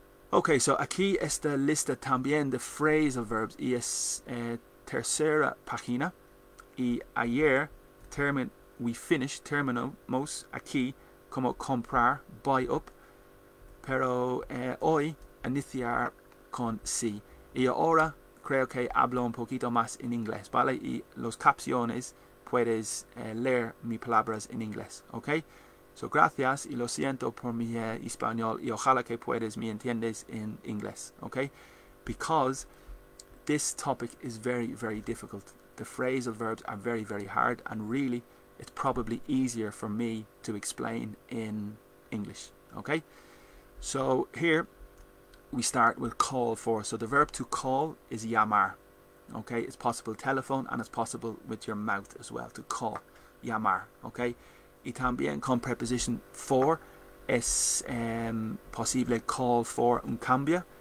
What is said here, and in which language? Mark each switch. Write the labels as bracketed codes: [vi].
[es] Ok, so aquí esta lista también de phrasal verbs, y es tercera página, y ayer terminamos aquí como comprar, buy up, pero hoy iniciar con sí, y ahora creo que hablo un poquito más en inglés, ¿vale? Y las capciones puedes leer mis palabras en inglés, ¿ok? So, gracias y lo siento por mi español y ojalá que puedes me entiendes en inglés, ¿ok? [en] Because this topic is very, very difficult. The phrasal verbs are very, very hard and really it's probably easier for me to explain in English, ¿ok? So, here we start with call for. So the verb to call is llamar. Okay, it's possible telephone and it's possible with your mouth as well to call. [es] Llamar. Okay, y también con preposition for es posible call for un cambio.